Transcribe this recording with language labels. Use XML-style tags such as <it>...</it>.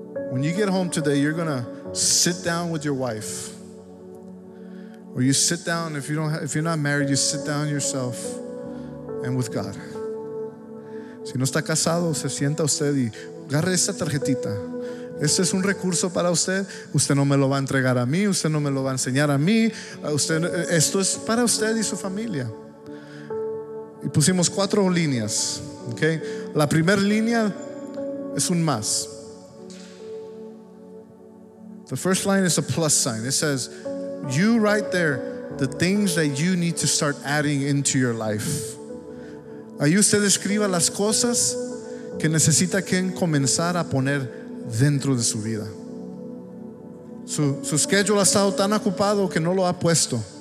<en>When you get home today, you're going to sit down with your wife. Or you sit down, if you're not married, you sit down yourself and with God.</en> <es>Si no está casado, se sienta usted y agarre esta tarjetita. Este es un recurso para usted. Usted no me lo va a entregar a mí. Usted no me lo va a enseñar a mí. Esto es para usted y su familia. Y pusimos cuatro líneas, okay. La primera línea es un más.</es> <en>The first line is a plus sign. It says, you right there, the things that you need to start adding into your life.</en> <es>Ahí usted escriba las cosas que necesita que comenzar a poner dentro de su vida. Su schedule ha estado tan ocupado que no lo ha puesto.</es>